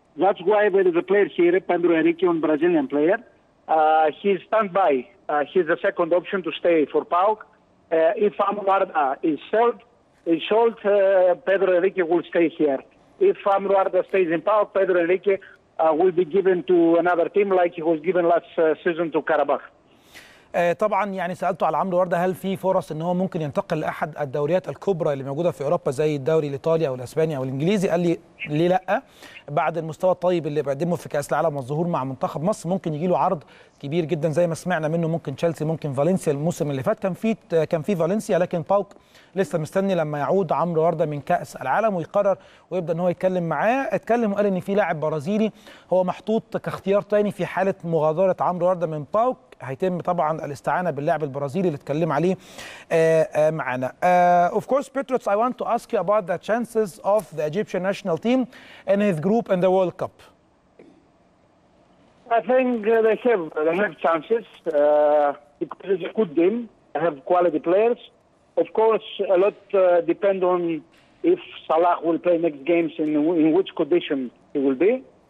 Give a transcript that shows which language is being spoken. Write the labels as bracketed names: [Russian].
[English] That's why there is a player here, Pedro Henriquez, a Brazilian player. He's standby. He's the second option to stay for PAOK. If Amrou Arda is sold, Pedro Henriquez will stay here. If Amrou Arda stays in PAOK, Pedro Henriquez will be given to another team, like he was given last season to Karabakh. [Arabic] طبعا يعني سالته على عمرو ورده هل في فرص ان هو ممكن ينتقل لاحد الدوريات الكبرى اللي موجوده في اوروبا زي الدوري الايطالي او الاسباني او الانجليزي، قال لي ليه لا، بعد المستوى الطيب اللي بقدمه في كاس العالم والظهور مع منتخب مصر ممكن يجي له عرض كبير جدا زي ما سمعنا منه، ممكن تشيلسي، ممكن فالنسيا. الموسم اللي فات كان في فالنسيا، لكن باوك لسه مستني لما يعود عمرو ورده من كاس العالم ويقرر ويبدا ان هو يتكلم معاه. اتكلم وقال ان في لاعب برازيلي هو محطوط كاختيار ثاني في حاله مغادره عمرو ورده من باوك، هيتم طبعا الاستعانه باللاعب البرازيلي اللي اتكلم عليه معانا. [English] Of course, Petros, I want to ask you about the chances of the Egyptian national team in his group in the World Cup. I think they have chances because it's a good team. They have quality players. Of course, a lot depend on if Salah will play next games and in which condition he will be.